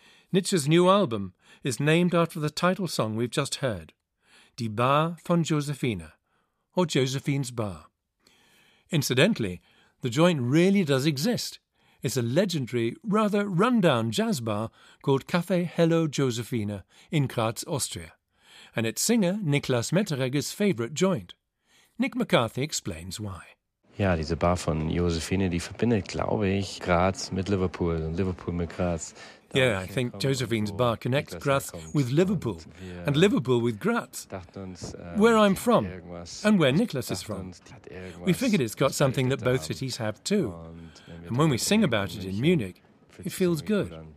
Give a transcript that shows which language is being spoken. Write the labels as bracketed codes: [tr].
[en] Nietzsche's new album is named after the title song we've just heard, Die Bar von Josefina, or Josephine's Bar. Incidentally, the joint really does exist. It's a legendary, rather run-down jazz bar called Café Hello Josefina in Graz, Austria, and its singer Niklas Metteregger's favourite joint. Nick McCarthy explains why. [de] Ja, diese Bar von Josefine, die verbindet, glaube ich, Graz mit Liverpool und Liverpool mit Graz. [en] Yeah, I think Josephine's bar connects Graz with Liverpool and Liverpool with Graz, where I'm from and where Niklas is from. We figured it's got something that both cities have too. And when we sing about it in Munich, it feels good.